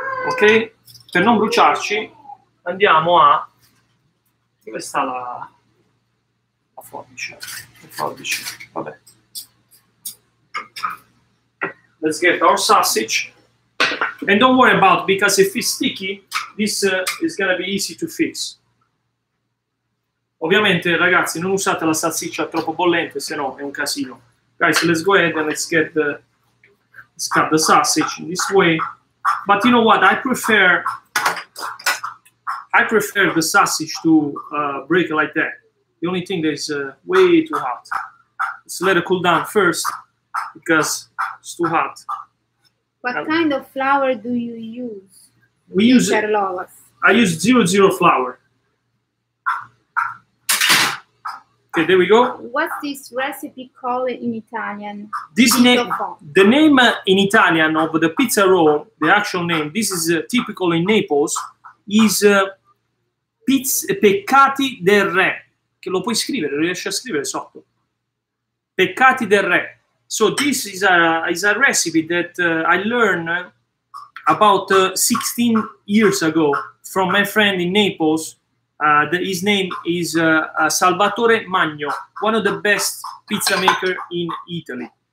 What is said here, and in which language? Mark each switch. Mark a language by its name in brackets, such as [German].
[Italian] Ok, per non bruciarci, andiamo a... Dove sta la... La forbice. La forbice, vabbè. [English] Let's get our sausage. And don't worry about, because if it's sticky, this is going to be easy to fix. [Italian] Ovviamente, ragazzi, non usate la salsiccia troppo bollente, se no è un casino. [English] Guys, let's go ahead and let's cut the sausage in this way. But you know what? I prefer the sausage to break like that. The only thing that is way too hot. Let's let it cool down first, because it's too hot. What kind of flour do you use? I use 00 flour. Okay, there we go. What's this recipe called in Italian? The name in Italian of the pizza roll, the actual name, this is typical in Naples, is Peccati del Re. [Italian] Che lo puoi scrivere, riesci a scrivere sotto. Peccati del Re. [English] So this is a recipe that I learned about 16 years ago from my friend in Naples. His name is Salvatore Magno, one of the best pizza maker in Italy.